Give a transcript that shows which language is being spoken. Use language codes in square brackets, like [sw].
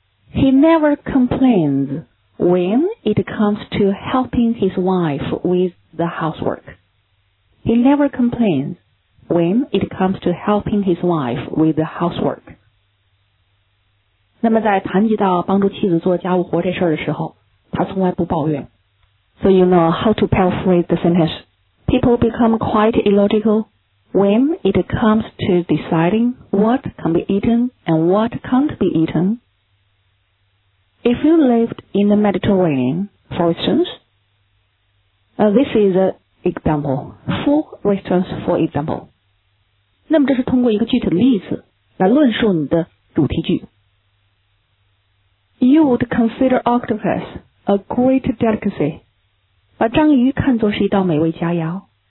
[en] He never complains when it comes to helping his wife with the housework. He never complains when it comes to helping his wife with the housework. [zh] 那么在谈及到帮助妻子做家务活这事儿的时候，他从来不抱怨。 [en] So you know how to paraphrase the sentence. People become quite illogical when it comes to deciding what can be eaten and what can't be eaten. If you lived in the Mediterranean, for instance, this is an example. Four restaurants, for example. [zh] 那么这是通过一个具体的例子来论述你的主题句。 [en] You would consider octopus a great delicacy. [zh] 把章鱼看作是一道美味佳肴。